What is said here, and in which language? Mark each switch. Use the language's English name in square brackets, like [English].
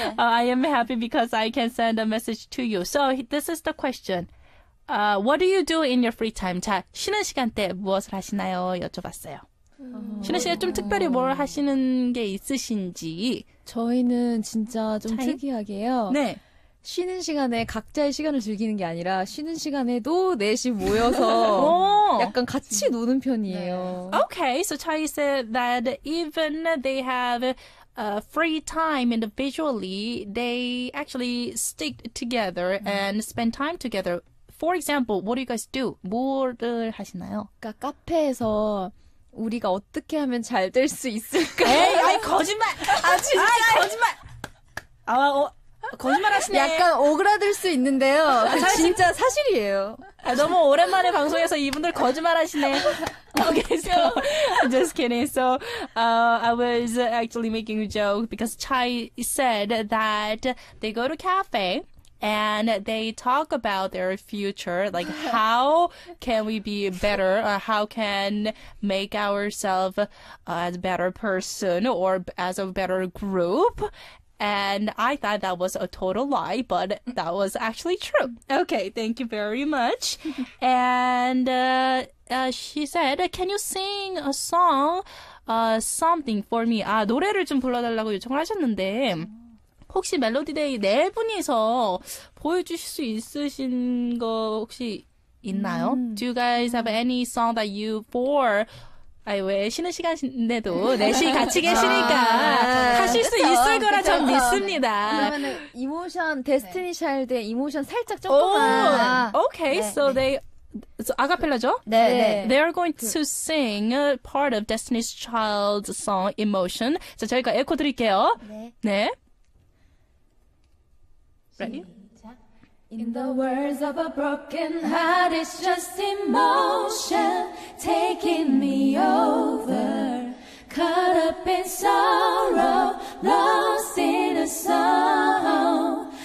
[English] I am happy because I can send a message to you. So this is the question. What do you do in your free time? [Korean] 자, 쉬는 시간대 무엇을 하시나요? 여쭤봤어요. 신혜 씨가 좀 특별히 뭘 하시는 게 있으신지. 저희는 진짜 좀 차이? 특이하게요. 네. 쉬는 시간에 각자의 시간을 즐기는 게 아니라 쉬는 시간에도 넷이 모여서 약간 같이 노는 편이에요. 네. [English] Okay, so Chai said that even they have free time and visually, they actually stick together and spend time together. For example, what do you guys do? [Korean] 뭐를 하시나요? 그러니까 카페에서 우리가 어떻게 하면 잘 될 수 있을까? 에이, 아니, 거짓말! 아, 진짜! 아이, 거짓말! 아, 거짓말 하시네. 약간 오그라들 수 있는데요. 아, 사실, 진짜 사실이에요. 아, 너무 오랜만에 방송에서 이분들 거짓말 하시네. [English] Okay, so, I'm just kidding. So, I was actually making a joke because Chai said that they go to cafe. And they talk about their future, like how can we be better, or how can make ourselves as a better person or as a better group. And I thought that was a total lie, but that was actually true. Okay, thank you very much. And she said, can you sing a song, something for me? [Korean] 아, 노래를 좀 불러달라고 요청을 하셨는데 혹시 멜로디데이 네 분이서 보여주실 수 있으신 거 혹시 있나요? [English] Do you guys have any song that you for? [Korean] 아니 왜 쉬는 시간인데도 넷이 같이 계시니까 하실 수 있을 거라 전 믿습니다. 그러면 이모션 데스티니 차일드의 이모션 살짝 조금만. [English] Oh, okay, 네, so 네. they. So, 아카펠라죠? [Korean] 네, 네. [English] They are going to sing a part of Destiny's Child's song Emotion. [Korean] 자, 저희가 에코 드릴게요. 네. 네. [English] Ready? In the words of a broken heart, it's just emotion taking me over. Caught up in sorrow, lost in a song.